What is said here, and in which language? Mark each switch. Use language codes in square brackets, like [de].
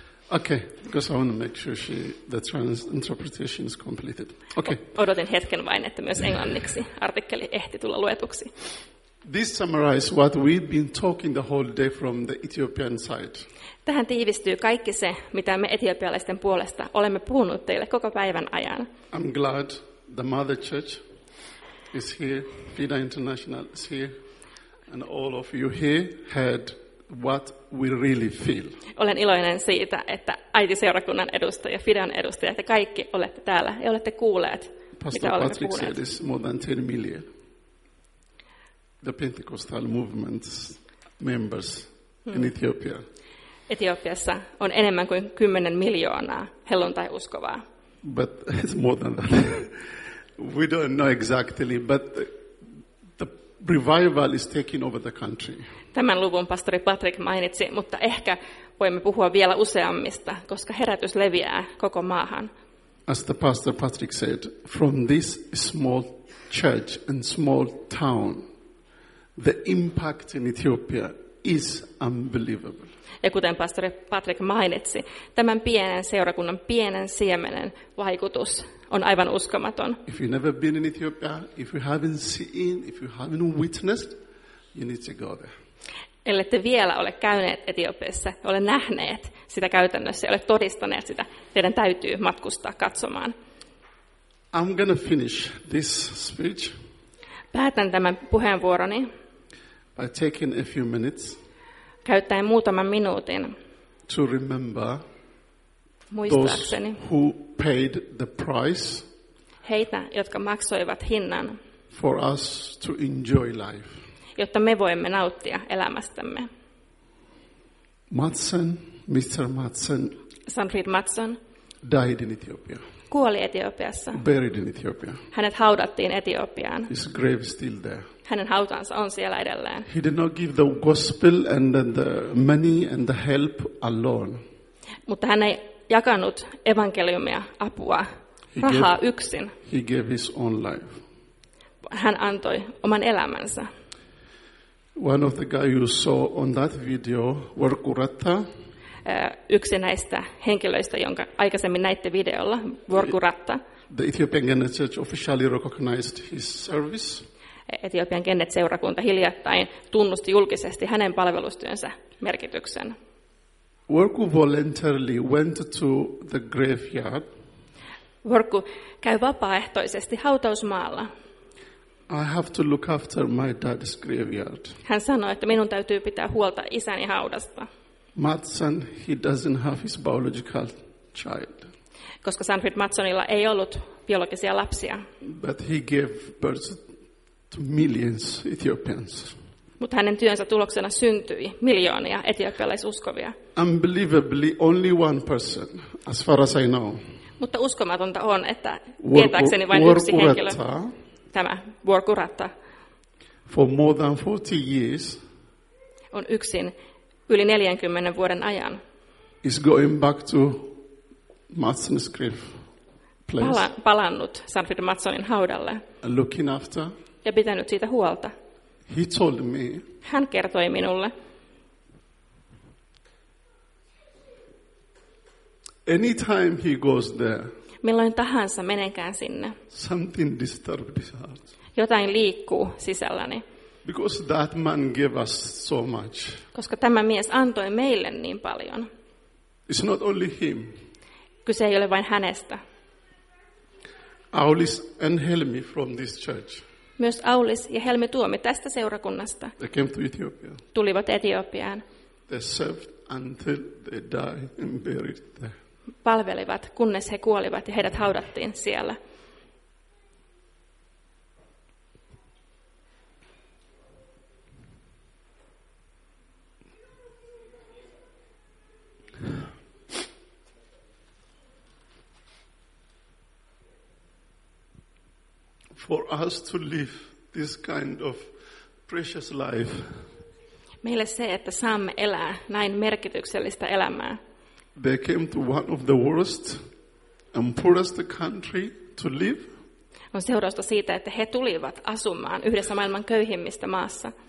[en] Okay, because I want to make sure she, the interpretation is completed. Okay. [fi] Odotin hetken vain, että myös englanniksi artikkeli ehti tulla luetuksi. [en] This summarizes what we've been talking the whole day from the Ethiopian side. [fi] Tähän tiivistyy kaikki se, mitä me etiopialaisten puolesta olemme puhunut teille koko päivän ajan. [en] I'm glad the Mother Church is here, FIDA International is here, and all of you here heard what we really feel. [fi] Olen iloinen siitä, että äitiseurakunnan edustaja, FIDAn edustaja, että kaikki olette täällä ja olette kuulleet, [en] Pastor [fi] mitä olemme [en] Patrick [fi] puhuneet. [en] Said it's more than 10 million. The Pentecostal movement's members in Ethiopia. [fi] Etiopiassa on enemmän kuin 10 miljoonaa helluntaiuskovaa. [en] But it's more than that. We don't know exactly, but the revival is taking over the country. [fi] Tämän luvun pastori Patrick mainitsi, mutta ehkä voimme puhua vielä useammista, koska herätys leviää koko maahan. [en] As the pastor Patrick said, from this small church and small town, the impact in Ethiopia is unbelievable. [fi] Ja kuten pastori Patrick mainitsi, tämän pienen seurakunnan pienen siemenen vaikutus on aivan uskomaton. [en] If you've never been in Ethiopia, if you haven't seen, if you haven't witnessed, you need to go there. [fi] Ellette vielä ole käyneet Etiopiassa, ole nähneet sitä käytännössä, ole todistaneet sitä, teidän täytyy matkustaa katsomaan. [en] I'm going to finish this speech. [fi] Päätän tämän puheenvuoroni. [en] By taking a few minutes. [fi] Käyttäen muutaman minuutin. [en] To remember. [fi] Muistaakseni. [en] Those who paid the price. [fi] Heitä, jotka maksoivat hinnan. [en] For us to enjoy life. [fi] jotta me voimme nauttia elämästämme. [en] Madsen, Mr. Madsen, [fi] Sanfrid Madsen, [en] died in Ethiopia. [fi] Kuoli Etiopiassa. [en] Buried in Ethiopia. [fi] Hänet haudattiin Etiopiaan. [en] His grave is still there. [fi] Hänen hautansa on siellä edelleen. [en] He did not give the gospel and the money and the help alone. [fi] Mutta hän ei jakanut evankeliumia, apua, rahaa yksin. [en] He gave his own life. [fi] Hän antoi oman elämänsä. [en] One of the guys you saw on that video were Kuratta. [fi] Yksi näistä henkilöistä, jonka aikaisemmin näitte videolla, Vorkuratta. [en] The Ethiopian Kenneth Church officially recognized his service. [fi] Etiopian Kenneth-seurakunta hiljattain tunnusti julkisesti hänen palvelustyönsä merkityksen. [en] Vorku voluntarily went to the graveyard. [fi] Vorku käy vapaaehtoisesti hautausmaalla. [en] I have to look after my dad's graveyard. [fi] Hän sanoi, että minun täytyy pitää huolta isäni haudasta. [en] Madsen, he doesn't have his biological child. [fi] Koska Sanfrid Madsenilla ei ollut biologisia lapsia. [en] But he gave birth to millions Ethiopians. [fi] Mutta hänen työnsä tuloksena syntyi miljoonia etiopialaisuskovia. [en] Unbelievably, only one person, as far as I know. [fi] Mutta uskomatonta on, että tietääkseni vain yksi henkilö, tämä Vorkuratta, [en] for more than 40 years, [fi] on yksin yli 40 vuoden ajan. [en] Is going back to Madsen's grave place. [fi] Palannut Sanfrid Madsenin haudalle. [en] And looking after. [fi] Ja pitänyt siitä huolta. [en] He told me. [fi] Hän kertoi minulle. [en] Anytime he goes there. [fi] Milloin tahansa menenkään sinne. [en] Something disturbed his heart. [fi] Jotain liikkuu sisälläni. [en] Because that man gave us so much. [fi] Koska tämä mies antoi meille niin paljon. [en] It's not only him. [fi] Kyse ei ole vain hänestä. [en] Aulis and Helmi from this church. [fi] Myös Aulis ja Helmi Tuomi tästä seurakunnasta. [en] They came to Ethiopia. [fi] Tulivat Etiopiaan. [en] They served until they died and buried there. [fi] Palvelivat, kunnes he kuolivat ja heidät haudattiin siellä. [en] For us to live this kind of precious life. [fi] Meille se, että saamme elää näin merkityksellistä elämää. [en] They came to one of the worst and poorest country to live. [fi] On seurausta siitä, että he tulivat asumaan yhdessä maailman köyhimmistä maassa.